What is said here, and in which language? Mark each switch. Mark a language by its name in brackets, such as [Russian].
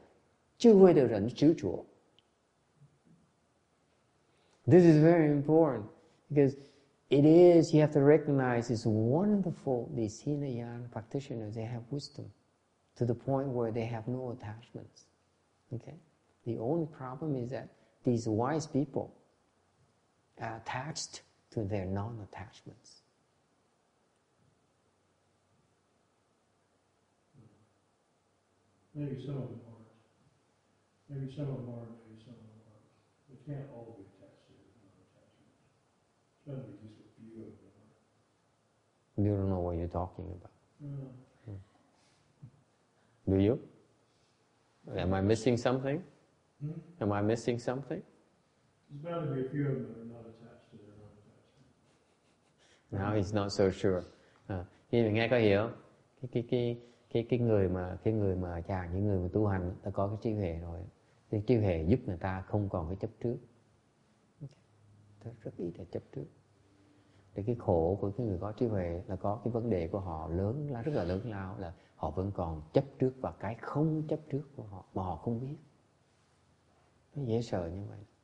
[Chinese] 才不执着，对不对？可是有智慧的人还是有智慧的人执着。 [English] This is very important because it is, you have to recognize it's wonderful, these Hinayana practitioners, they have wisdom to the point where they have no attachments. Okay? The only problem is that these wise people are attached to their non-attachments. Maybe some of them aren't. Maybe some of them aren't, maybe some of them aren't. They can't all be attached to their non-attachments. It's going to be just a few of them. You don't know what you're talking about. No. Do you? Am I missing something? Am I missing something? There's bound to be a few of them that are not attached to their non-attachments. Now he's not so sure. [Vietnamese] Khi mình nghe có hiểu, cái người mà chàng những người mà tu hành ta có cái trí huệ rồi, thì trí huệ giúp người ta không còn cái chấp trước. Ta rất ít là chấp trước. Thì cái khổ của cái người có trí huệ là có cái vấn đề của họ lớn, là rất là lớn lao, là họ vẫn còn chấp trước và cái không chấp trước của họ mà họ không biết. Nó dễ sợ như vậy.